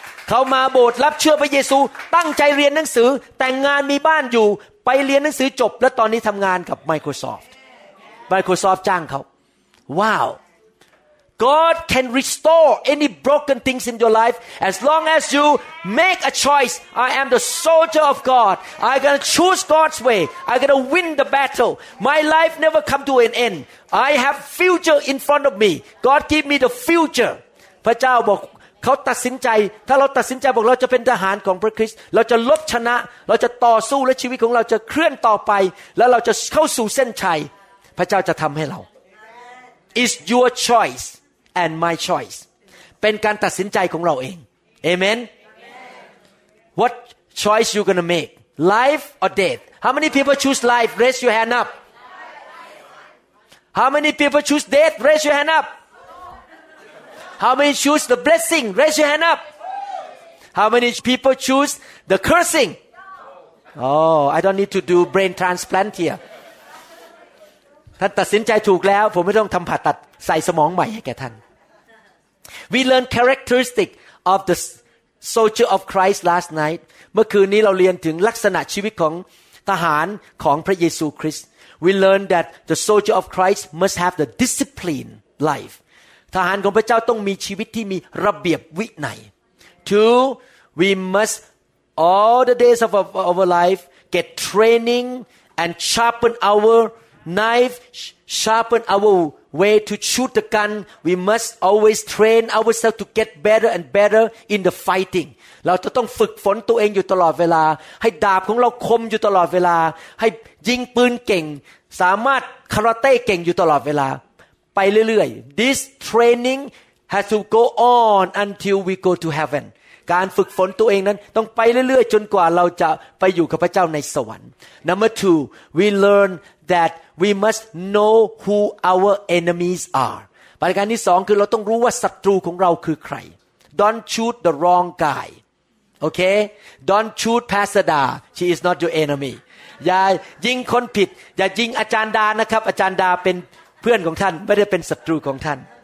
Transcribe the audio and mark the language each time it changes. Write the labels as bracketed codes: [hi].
[th] เขามาโบสถ์รับเชื่อพระเยซูตั้งใจเรียนหนังสือแต่งงานมีบ้านอยู่ไปเรียนหนังสือจบและตอนนี้ทำงานกับ Microsoft [en] Microsoft [th] จ้างเขา [en] Wow God can restore any broken things in your life as long as you make a choice I am the soldier of God I'm gonna choose God's way I'm gonna win the battle My life never come to an end I have future in front of me God give me the future [th] พระเจ้าบอกเขาตัดสินใจถ้าเราตัดสินใจบอกเราจะเป็นทหารของพระคริสต์เราจะลบชนะเราจะต่อสู้และชีวิตของเราจะเคลื่อนต่อไปแล้วเราจะเข้าสู่เส้นชัยพระเจ้าจะทำให้เรา [en] It's your choice and my choice. [th] เป็นการตัดสินใจของเราเอง Amen. [en] What choice you gonna make? Life or death? How many people choose life? Raise your hand up. How many people choose death? Raise your hand up. How many choose the blessing? Raise your hand up. How many people choose the cursing? Oh, I don't need to do brain transplant here. [th] ท่านตัดสินใจถูกแล้วผมไม่ต้องทำผ่าตัดใส่สมองใหม่ให้แก่ท่าน [en] We learn characteristic of the soldier of Christ last night [th] เมื่อคืนนี้เราเรียนถึงลักษณะชีวิตของทหารของพระเยซูคริสต์ [en] We learn that the soldier of Christ must have the discipline life [th] ทหารของพระเจ้าต้องมีชีวิตที่มีระเบียบวินัย [en] Two we must all the days of our life get training and sharpen ourKnife sharpen our way to shoot the gun. We must always train ourselves to get better and better in the fighting. [th] เราจะต้องฝึกฝนตัวเองอยู่ตลอดเวลาให้ดาบของเราคมอยู่ตลอดเวลาให้ยิงปืนเก่งสามารถคาราเต้เก่งอยู่ตลอดเวลาไปเรื่อย [en] ๆ This training has to go on until we go to heaven. [th] การฝึกฝนตัวเองนั้นต้องไปเรื่อยๆจนกว่าเราจะไปอยู่กับพระเจ้าในสวรรค์ [en] Number two, we learnThat we must know who our enemies are. [th] ประการที่สองคือเราต้องรู้ว่าศัตรูของเราคือใคร [en] Don't shoot the wrong guy. Okay? Don't shoot Pastor Da. She is not your enemy. [th] อย่ายิงคนผิดอย่ายิงอาจารย์ดานะครับอาจารย์ดาเป็นเพื่อนของท่านไม่ได้เป็นศัตรูของท่าน